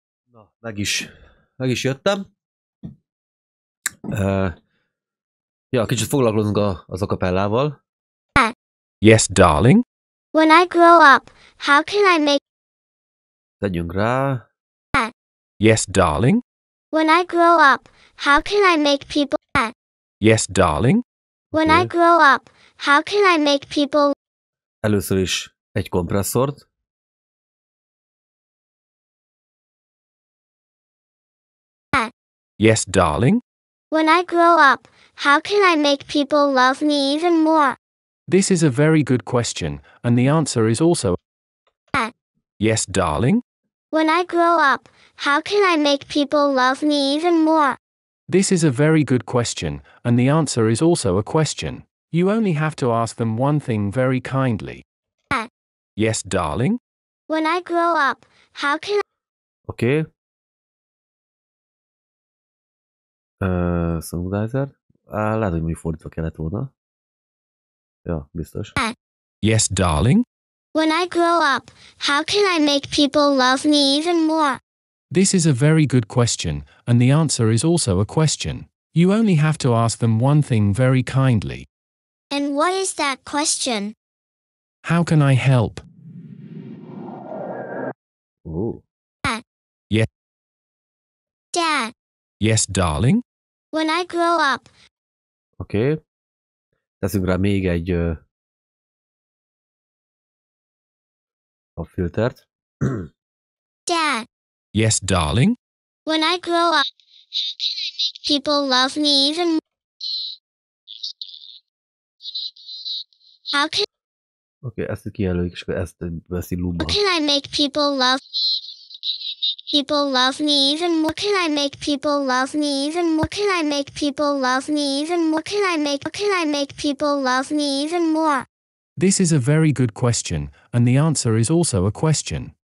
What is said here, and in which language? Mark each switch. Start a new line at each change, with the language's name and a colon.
Hungarian: Na, meg is jöttem. Ja, kicsit foglalkozunk az akapellával.
English: Yes, darling. When I grow up, how can I make...
Hungarian: Tegyünk rá.
English: Yes, darling. When I grow up, how can I make people... Yes, darling. When okay. I grow up, how can I make people...
Hungarian: Először is egy kompresszort.
English: Yes, darling. When I grow up, how can I make people love me even more? This is a very good question, and the answer is also... Yes, darling? When I grow up, how can I make people love me even more? This is a very good question, and the answer is also a question. You only have to ask them one thing very kindly. Yes, darling? When I grow up, how can I... Okay. Songwriter?
Hungarian: Lehet, hogy mondjuk fordítva kellett volna. Ja, biztos.
English: Yes, darling? When I grow up, how can I make people love me even more? This is a very good question, and the answer is also a question. You only have to ask them one thing very kindly. And what is that question? How can I help? Ooh. Dad. Yes. Dad. Yes, darling? When I grow up. Oké. Okay.
Hungarian: Teszünk rá még egy a filtert.
English: Dad. Yes, darling? When I grow up, how can I make people love me even more? Yes, darling.
Hungarian: Oké, ezt kijelöljük, és akkor ezt veszi lumba.
English: How can I make people love me? People love me even more. Can I make people love me even more? Can I make people love me even more? Can I make? Can I make people love me even more? This is a very good question, and the answer is also a question.